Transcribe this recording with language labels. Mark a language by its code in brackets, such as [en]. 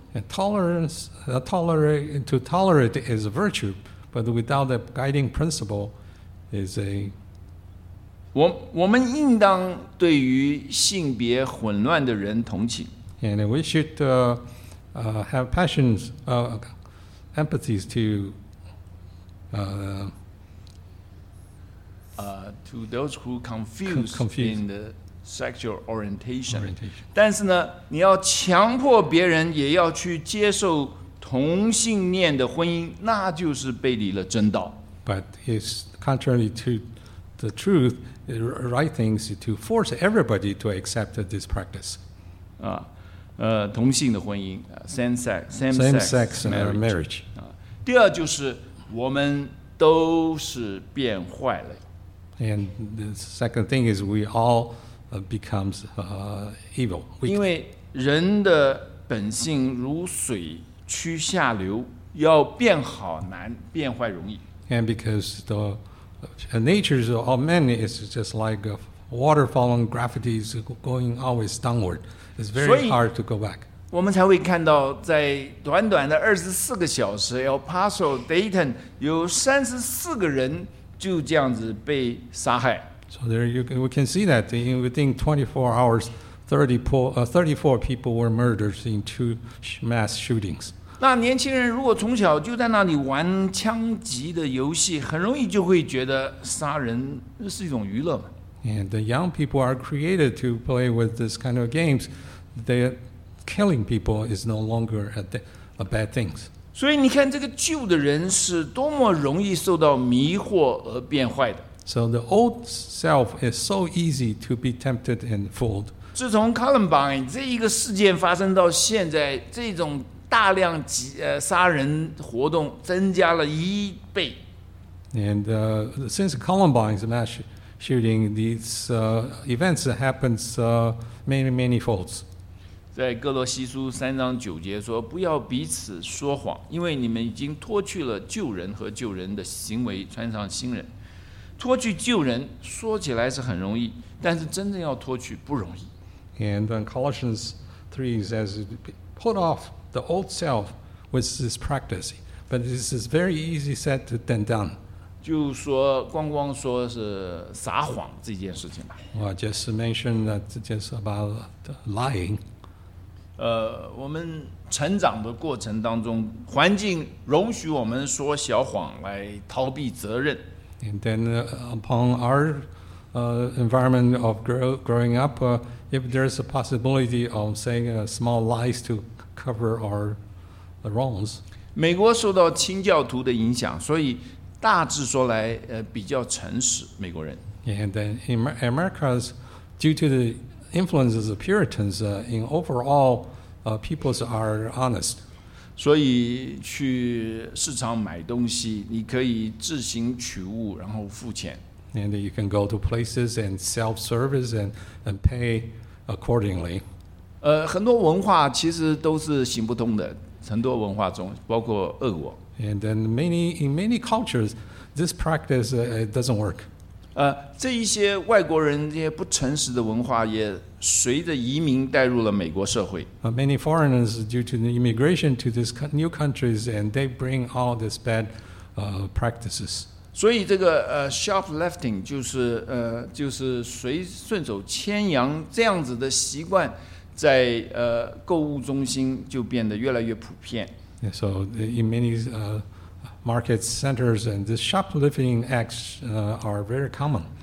[en] And tolerate is a virtue, but without a guiding principle is a... [zh] 我们应当对于性别混乱的人同情。 [en] And we should have passions... empathies to those who confused in the sexual orientation. [zh] 但是呢，你要强迫别人也要去接受同性恋的婚姻，那就是背离了真道。 [en] But it's contrary to the truth, the right things to force everybody to accept this practice. [zh] 同性的婚姻 [en] same sex marriage. [zh] 第二就是我们都是变坏了。 [en] And the second thing is we all becomes evil.、Weak. [zh] 因为人的本性如水趋下流，要变好难，变坏容易。 [en] And because the nature of man is just like a water falling gravity is going always downward. It's very hard to go back. [zh] 我们才会看到在短短的24个小时 El Paso Dayton 有34个人就这样子被杀害。 [en] So there you can, we can see that within 24 hours, 34 people were murdered in two mass shootings. [zh] 那年轻人如果从小就在那里玩枪击的游戏，很容易就会觉得杀人是一种娱乐。 [en] And the young people are created to play with this kind of games. They killing people is no longer a bad thing. [zh] 所以你看这个旧的人是多么容易受到迷惑而变坏的。 [en] So the old self is so easy to be tempted and fooled. [zh] 自从 Columbine 这一个事件发生到现在，这种大量杀人活动增加了一倍。 [en] And since Columbine's mass shooting, these events happens many many folds. [zh] 在哥罗西书三章九节说：“不要彼此说谎，因为你们已经脱去了旧人和旧人的行为，穿上新人。” 脱去旧人说起来是很容易，但是真正要脱去不容易。 [en] And then Colossians 3 says, "Put off the old self with this practice, but this is very easy said than done." [zh] 就说光光说是撒谎这件事情吧。 [en] Well, just mentioned that just about lying. [zh] 我们成长的过程当中，环境容许我们说小谎来逃避责任。 [en] And then upon our environment of growing up, if there's a possibility of saying small lies to cover our wrongs. [zh] 美国受到清教徒的影响，所以大致说来，比较诚实，美国人。 [en] And then in America, due to the influences of Puritans, in overall, peoples are honest. [zh] 所以去市场买东西，你可以自行取物，然后付钱。 [en] And you can go to places and self-service and pay accordingly. [zh] 很多文化其实都是行不通的，很多文化中，包括俄国。 [en] And then in many cultures, this practice doesn't work. [zh] 这一些外国人这些不诚实的文化也。随着移民带入了美国社会。 [en] Many foreigners due to the immigration to these new countries and they bring all these bad practices. [zh] 所以这个shoplifting 就是随顺手牵羊这样子的习惯在购物中心就变得越来越普遍。 [en] Yeah, so in many market centers and the shoplifting acts are very common.